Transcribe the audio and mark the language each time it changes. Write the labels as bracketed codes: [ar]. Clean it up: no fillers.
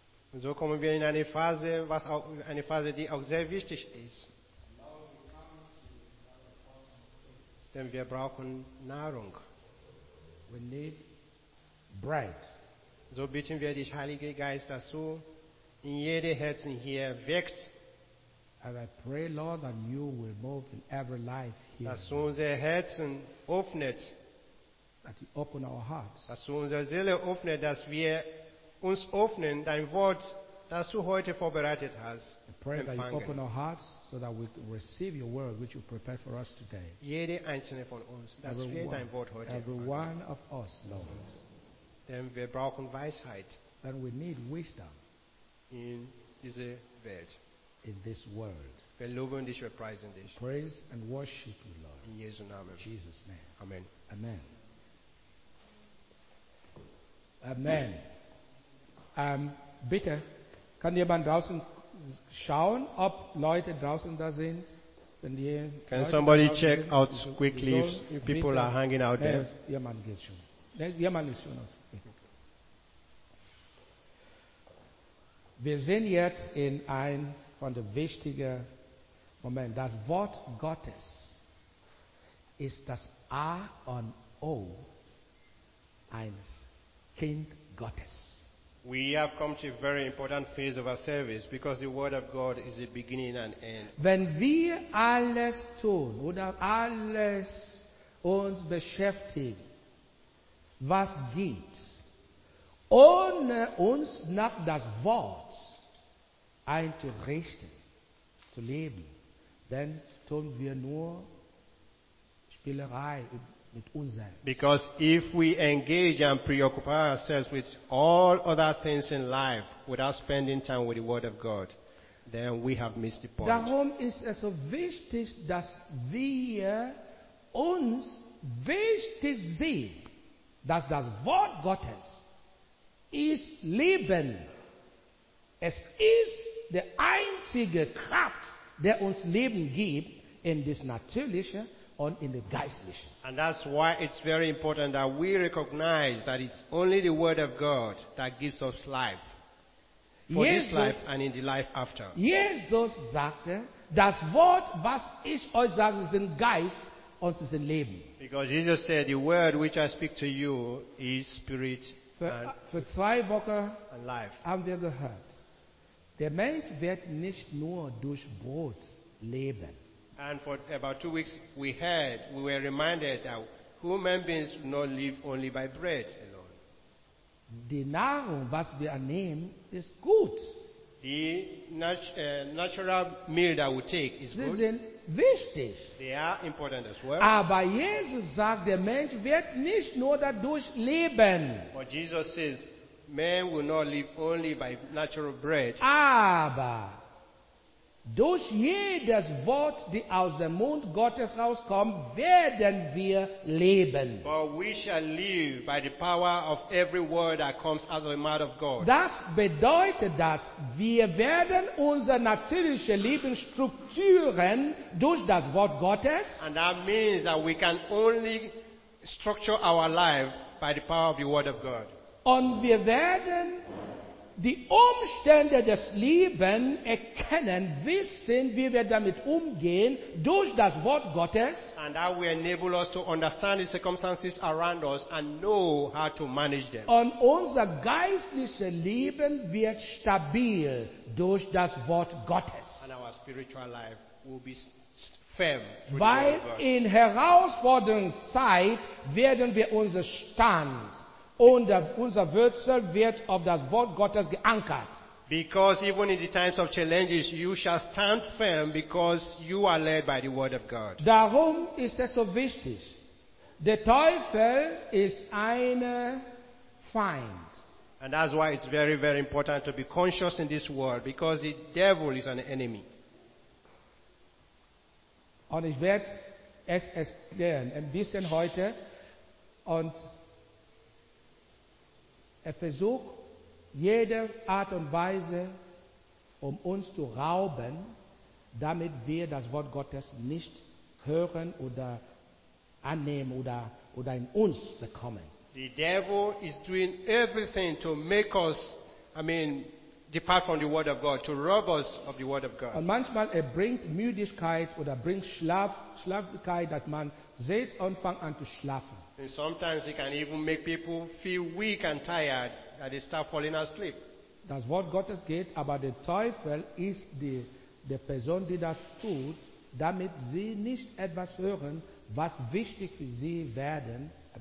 [de] Und so kommen wir in eine Phase, die auch sehr wichtig ist. Denn wir brauchen Nahrung. [en] We need bread. [de] So bitten wir dich, Heiliger Geist, dass du in jedem Herzen hier wirkst. [en] And I pray, Lord, that you will move in every life here. [de] Dass du unsere Herzen öffnet. [en] That you open our hearts. [de] Dass du unsere Seele öffnet, dass wir uns öffnen, dein Wort, das du heute vorbereitet hast, empfangen. [en] That you open our hearts, so that we receive your word, which you prepared for us today. [de] Jede einzelne von uns, dass [en] everyone, [de] wir dein Wort heute [en] every [de] empfangen. [en] One of us, Lord. [de] Denn wir brauchen Weisheit. [en] Then we need wisdom. [de] In diese Welt. [en] In this world. [de] Wir loben dich, wir preisen dich. [en] Praise and worship you, Lord. [de] In Jesu Namen. [en] In Jesus' name. Amen. Amen. Amen. [de] Bitte, kann jemand draußen schauen, ob Leute draußen da sind? [en] Can [de] Leute [en] somebody check [de] sind? [en] Out quickly if people [de] bitte, [en] are hanging out there? [de] Jemand geht schon. Jemand ist schon. Wir sind jetzt in einem von den wichtigen Momenten. Das Wort Gottes ist das A und O eines Kind Gottes. [en] We have come to a very important phase of our service because the Word of God is the beginning and end. [de] Wenn wir alles tun oder alles uns beschäftigen, was geht, ohne uns nach das Wort einzurichten, zu leben, dann tun wir nur Spielerei. [en] Because if we engage and preoccupy ourselves with all other things in life without spending time with the Word of God, then we have missed the point. [de] Darum ist es so wichtig, dass wir uns wichtig sehen, dass das Wort Gottes ist Leben. Es ist die einzige Kraft, die uns Leben gibt [en] in this [de] natürliche. [en] On in the [de] geistliche. [en] And that's why it's very important that we recognize that it's only the Word of God that gives us life. For Jesus, this life and in the life after. [de] Jesus sagte, das Wort, was ich euch sage, ist ein Geist und ist ein Leben. [en] Because Jesus said, the Word which I speak to you is spirit [de] für zwei Wochen [en] and life. [de] Haben wir gehört. Der Mensch wird nicht nur durch Brot leben. [en] And for about 2 weeks, we were reminded that human beings do not live only by bread alone. [de] Die Nahrung, was wir annehmen, ist gut. [en] The natural meal that we take is [de] sie [en] good. [de] Sind wichtig. [en] They are important as well. [de] Aber Jesus sagt, der Mensch wird nicht nur dadurch leben. [en] But Jesus says, man will not live only by natural bread. [de] Aber durch jedes Wort, das aus dem Mund Gottes rauskommt, werden wir leben. [en] But we shall live by the power of every word that comes out of the mouth of God. [de] Das bedeutet, dass wir werden unsere natürliche Lebensstrukturen durch das Wort Gottes. [en] And that means that we can only structure our life by the power of the Word of God. [de] Und wir werden die Umstände des Lebens erkennen, wissen, wie wir damit umgehen, durch das Wort Gottes. [en] And that will enable us to understand the circumstances around us and know how to manage them. [de] Und unser geistliches Leben wird stabil durch das Wort Gottes. [en] And our spiritual life will be firm. [de] Weil in herausfordernden Zeiten werden wir unser Stand. Und unser Wurzel wird auf das Wort Gottes geankert. [en] Because even in the times of challenges, you shall stand firm because you are led by the Word of God. [de] Darum ist es so wichtig. Der Teufel ist ein Feind. [en] And that's why it's very, very important to be conscious in this world, because the devil is an enemy. [de] Und ich werde es erklären ein bisschen heute. Und er versucht jede Art und Weise, um uns zu rauben, damit wir das Wort Gottes nicht hören oder annehmen oder in uns bekommen. [en] The devil is doing everything to make us, depart from the word of God, to rob us of the word of God. [de] Und manchmal er bringt Müdigkeit oder bringt Schlafigkeit, dass man selbst anfängt an zu schlafen. [en] And sometimes it can even make people feel weak and tired that they start falling asleep. [de] Das Wort Gottes geht, aber der Teufel ist die Person, die das tut, damit sie nicht etwas hören, was wichtig für sie werden.